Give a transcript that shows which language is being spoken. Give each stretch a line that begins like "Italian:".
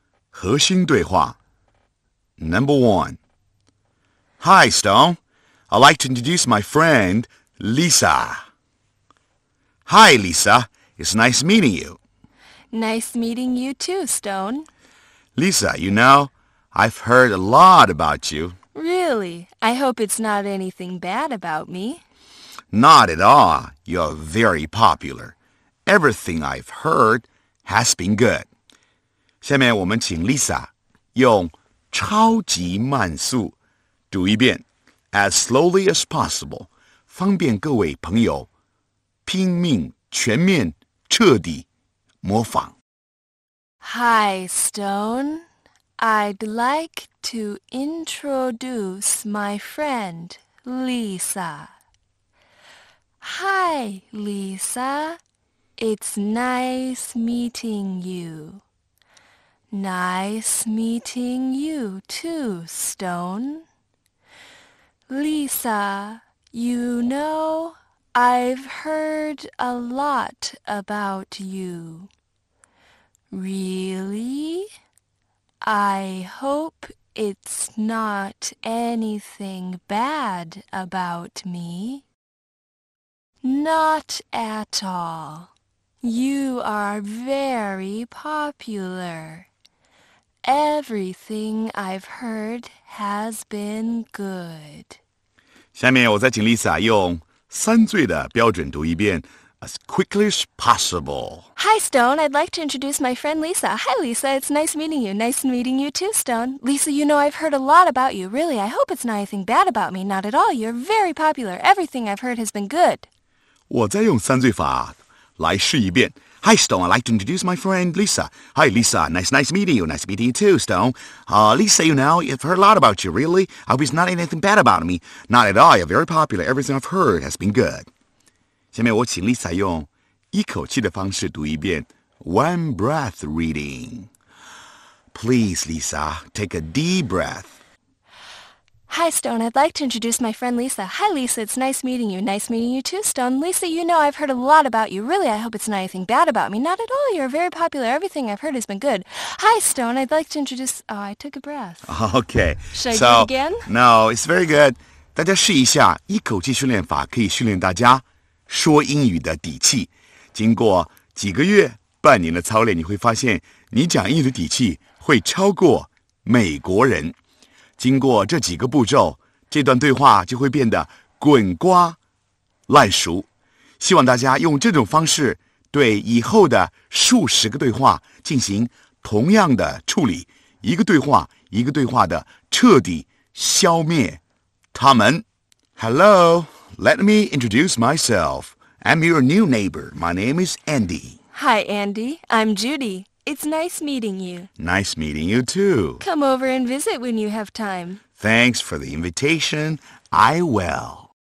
Chinese: 核心对话
English: Number 1. Hi, Stone. I'd like to introduce my friend, Lisa. Hi, Lisa. It's nice meeting you. Nice meeting you too, Stone. Lisa, you know, I've heard a lot about you. Really? I hope it's not anything bad about me. Not at all. You're very popular. Everything I've heard has been good.
Chinese: 下面我们请 Lisa 用超级慢速读一遍
English: as slowly as possible,
Chinese: 方便各位朋友拼命全面彻底模仿。
English: Hi, Stone. I'd like to introduce my friend, Lisa. Hi, Lisa. It's nice meeting you. Nice meeting you too, Stone. Lisa, you know, I've heard a lot about you. Really? I hope it's not anything bad about me. Not at all. You are very popular. Everything I've heard has been good.
Chinese: 下面我再请 Lisa 用三岁的标准读一遍
English: as quickly as possible. Hi, Stone. I'd like to introduce my friend Lisa. Hi, Lisa. It's nice meeting you. Nice meeting you too, Stone. Lisa, you know, I've heard a lot about you. Really, I hope it's not anything bad about me. Not at all. You're very popular. Everything I've heard has been good.
Chinese: 我再用三岁法来试一遍。
English: Hi, Stone, I'd like to introduce my friend, Lisa. Hi, Lisa, nice meeting you. Nice meeting you too, Stone. Lisa, you know, I've heard a lot about you, really. I hope it's not anything bad about me. Not at all, you're very popular. Everything I've heard has been good.
Chinese: 下面我请 Lisa 用一口气的方式读一遍
English: One breath reading. Please, Lisa, take a deep breath. Hi, Stone. I'd like to introduce my friend Lisa. Hi, Lisa. It's nice meeting you. Nice meeting you too, Stone. Lisa, you know, I've heard a lot about you. Really, I hope it's not anything bad about me. Not at all. You're very popular. Everything I've heard has been good. Hi, Stone. I'd like to introduce... Oh, I took a breath. Okay. Should I do it again? No, it's very good.
Chinese: 大家试一下一口气训练法可以训练大家说英语的底气。经过几个月、半年的操练，你会发现你讲英语的底气会超过美国人。经过这几个步骤，这段对话就会变得滚瓜烂熟。希望大家用这种方式对以后的数十个对话进行同样的处理，一个对话一个对话的彻底消灭他们。
English: Hello, let me introduce myself. I'm your new neighbor. My name is Andy. Hi, Andy. I'm Judy. It's nice meeting you. Nice meeting you, too. Come over and visit when you have time. Thanks for the invitation. I will.